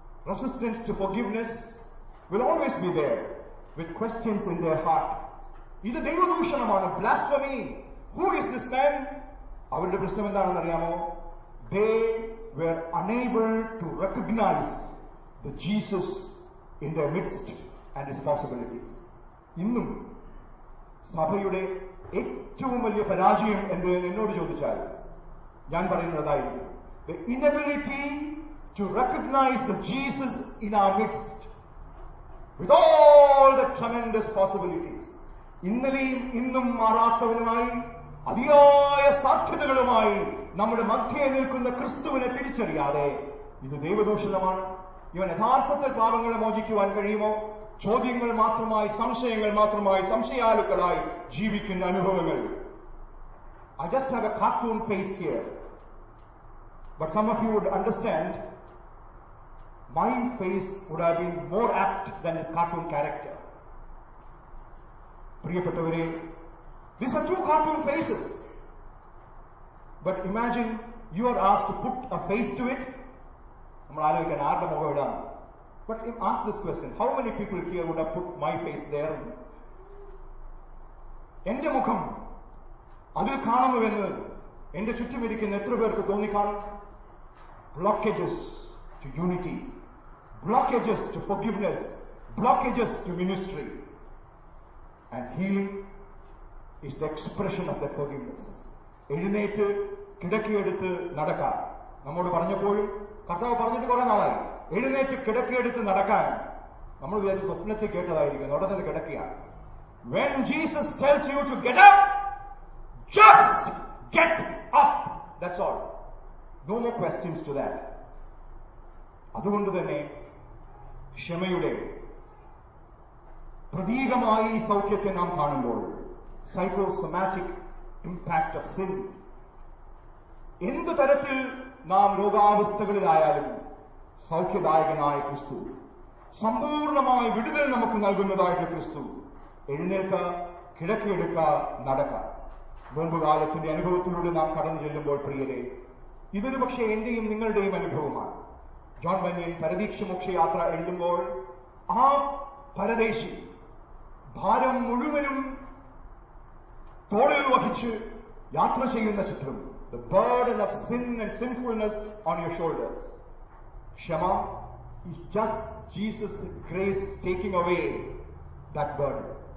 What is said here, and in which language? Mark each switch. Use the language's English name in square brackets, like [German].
[English] Resistance to forgiveness will always be there, with questions in their heart. [Malayalam] ഇത് ദൈവദൂഷണമാണ്, [English] blasphemy. Who is this man? [Malayalam] അവരുടെ പ്രശ്നം എന്താണെന്ന് അറിയാമോ? [English] They were unable to recognize the Jesus in their midst and his possibilities. [Malayalam] ഇന്നും സഭയുടെ ഏറ്റവും വലിയ പരാജയം എന്ത് എന്നോട് ചോദിച്ചാൽ ഞാൻ പറയുന്നതായിരുന്നു, [English] the inability to recognize the Jesus in our midst with all the tremendous possibilities. [Malayalam] ഇന്നലെയും ഇന്നും മാറാത്തവനുമായി അതിയായ സാധ്യതകളുമായി നമ്മുടെ മധ്യേ നിൽക്കുന്ന ക്രിസ്തുവിനെ തിരിച്ചറിയാതെ, ഇത് ദൈവദൂഷിതമാണ്. ഇവൻ യഥാർത്ഥത്തിൽ പാപങ്ങളെ മോചിക്കുവാൻ കഴിയുമോ? ചോദ്യങ്ങൾ മാത്രമായി, സംശയങ്ങൾ മാത്രമായി, സംശയാലുക്കളായി ജീവിക്കുന്ന അനുഭവങ്ങൾ. [English] I just have a cartoon face here, but some of you would understand my face would have been more apt than his cartoon character. പ്രിയപ്പെട്ടവരെ, these are two cartoon faces, but imagine you are asked to put a face to it. [Malayalam] നമ്മൾ ആലോചിക്കാൻ ആരുടെ മുഖം ഇടാം? [English] But if ask this question, how many people here would have put my face there? [Malayalam] എന്റെ മുഖം അതിൽ കാണുമെന്ന് എന്റെ ചുറ്റും ഇരിക്കുന്ന എത്ര പേർക്ക് തോന്നിക്കാണും? [English] Blockages to unity, blockages to forgiveness, blockages to ministry. And healing is the expression of that forgiveness. [Malayalam] എഴുന്നേറ്റ് കിടക്കിയെടുത്ത് നടക്കാം. നമ്മോട് പറഞ്ഞപ്പോഴും കർത്താവ് പറഞ്ഞിട്ട് കുറെ നാളായി, എഴുന്നേറ്റ് കിടക്കിയെടുത്ത് നടക്കാൻ. നമ്മൾ വിചാരിച്ച സ്വപ്നത്തെ കേട്ടതായിരിക്കും, ഉടനെ കിടക്കുകയാണ്. [English] When Jesus tells you to get up, just get up. That's all. No more questions to that. [Malayalam] അതുകൊണ്ട് തന്നെ ക്ഷമയുടെ പ്രതീകമായി സൗഖ്യത്തെ നാം കാണുമ്പോൾ, [English] psychosomatic impact of sin, [Malayalam] എന്ത് തരത്തിൽ നാം രോഗാവസ്ഥകളിലായാലും സൗഖ്യദായകനായ ക്രിസ്തു, സമ്പൂർണമായ വിടുതൽ നമുക്ക് നൽകുന്നതായിട്ട് ക്രിസ്തു. എഴുന്നേൽക്ക, കിടക്കിയെടുക്ക, നടക്ക. മുമ്പുകാലത്തിന്റെ അനുഭവത്തിലൂടെ നാം കടന്നു ചെല്ലുമ്പോൾ, പ്രിയരെ, ഇതൊരു പക്ഷേ എന്റെയും നിങ്ങളുടെയും അനുഭവമാണ്. ജോൺ ബന്യൻ പരദീക്ഷ മോക്ഷയാത്ര എഴുതുമ്പോൾ, ആ പരദേശി ഭാരം മുഴുവനും തോളിൽ വഹിച്ച് യാത്ര ചെയ്യുന്ന ചിത്രം, [English] the burden of sin and sinfulness on your shoulders. Shema is just Jesus' grace taking away that burden.